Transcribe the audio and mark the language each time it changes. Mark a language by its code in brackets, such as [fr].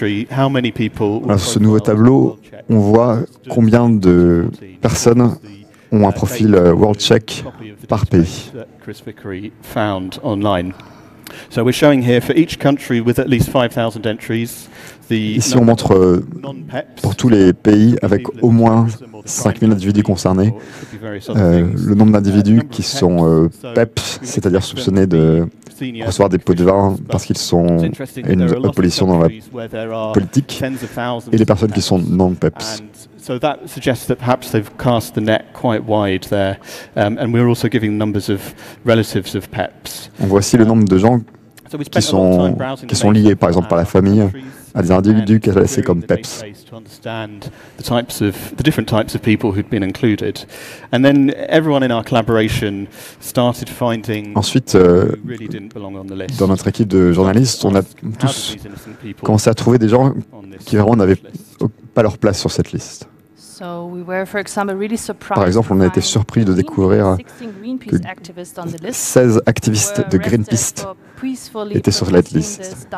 [fr] Alors, sur ce nouveau tableau, on voit combien de personnes ont un profil World Check par pays. [en] Chris Vickery found online. So we're showing here for each country with at least 5,000 entries. [fr] Ici, on montre pour tous les pays avec au moins 5000 individus concernés le nombre d'individus qui sont PEPs, c'est-à-dire soupçonnés de recevoir des pots de vin parce qu'ils sont une opposition dans la politique, et les personnes qui sont non-PEPs. [en] So that suggests that perhaps they've cast the net quite wide there, and we're also giving numbers of relatives of PEPs. [fr] On voit aussi le nombre de gens qui sont liés, par exemple, par la famille, à des individus classés comme PEPs. [en] The different types of people who'd been included, and then everyone in our collaboration started finding. [fr] Ensuite, dans notre équipe de journalistes, on a tous commencé à trouver des gens qui vraiment n'avaient pas leur place sur cette liste. [en] So we were, for example, really surprised. [fr] Par exemple, on a été surpris de découvrir que 16 activistes de Greenpeace étaient sur cette liste.